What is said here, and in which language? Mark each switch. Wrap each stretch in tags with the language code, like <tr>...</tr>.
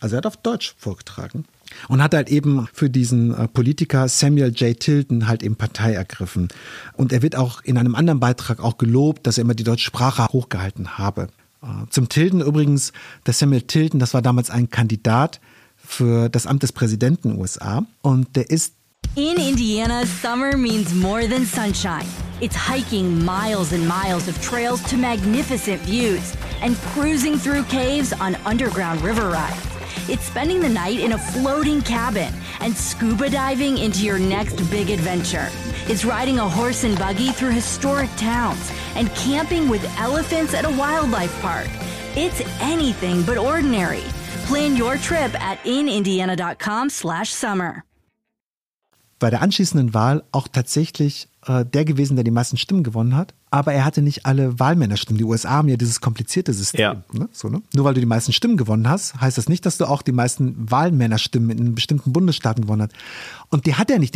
<de>Also er hat auf Deutsch vorgetragen und hat halt eben für diesen Politiker Samuel J. Tilton halt eben Partei ergriffen. Und er wird auch in einem anderen Beitrag auch gelobt, dass er immer die deutsche Sprache hochgehalten habe. Zum Tilton übrigens, der Samuel Tilton, das war damals ein Kandidat für das Amt des Präsidenten USA und der ist</de> <en>In Indiana, summer means more than sunshine. It's hiking miles and miles of trails to magnificent views and cruising through caves on underground river rides. It's spending the night in a floating cabin and scuba diving into your next big adventure. It's riding a horse and buggy through historic towns and camping with elephants at a wildlife park. It's anything but ordinary. Plan your trip at inindiana.com/summer.</en> <de>Bei der anschließenden Wahl auch tatsächlich der gewesen, der die meisten Stimmen gewonnen hat. Aber er hatte nicht alle Wahlmännerstimmen. Die USA haben ja dieses komplizierte System. Ja. Ne? So, ne? Nur weil du die meisten Stimmen gewonnen hast, heißt das nicht, dass du auch die meisten Wahlmännerstimmen in bestimmten Bundesstaaten gewonnen hast. Und die hat er nicht.</de>